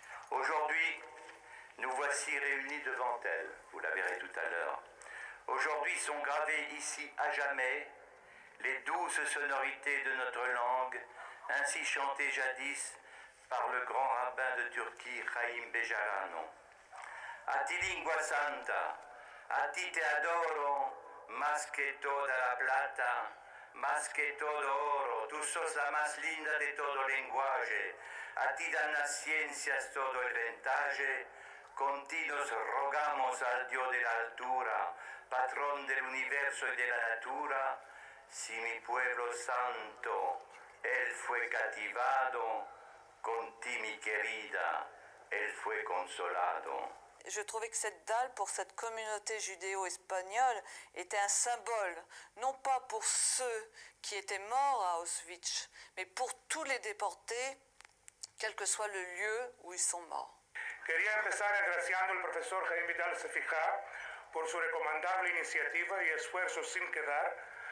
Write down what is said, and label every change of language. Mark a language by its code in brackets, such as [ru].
[fr] Aujourd'hui, nous voici réunis devant elle, vous la verrez tout à l'heure. Aujourd'hui sont gravées ici à jamais les douces sonorités de notre langue, ainsi chantées jadis par le grand rabbin de Turquie, Rahim Bejarano. [lad] A ti lingua santa, a ti te adoro, más que toda la plata, más que todo oro, tú sos la más linda de todo lenguaje, a ti dan las ciencias todo el ventaje, contigo rogamos al Dios de la altura, patrón del universo y de la natura, si mi pueblo santo, él fue cativado, con ti mi querida, él fue consolado. [fr] Je trouvais que cette dalle, pour cette communauté judéo-espagnole, était un symbole, non pas pour ceux qui étaient morts à Auschwitz, mais pour tous les déportés, quel que soit le lieu où ils sont morts. [es] Quería empezar agradeciendo al profesor Jaime Vidal Sefijá por su recomendable iniciativa y esfuerzo sin quedar